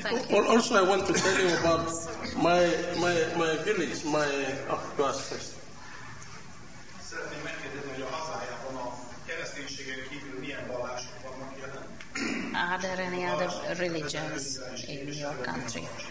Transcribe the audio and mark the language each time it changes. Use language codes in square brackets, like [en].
[en] Well, also I want to tell you about my village, my class. [hu] Szeretném megkérdezni, hogy a hazájában a kereszténységen kívül milyen vallások vannak jelen? [en] Are there any other religions in your country?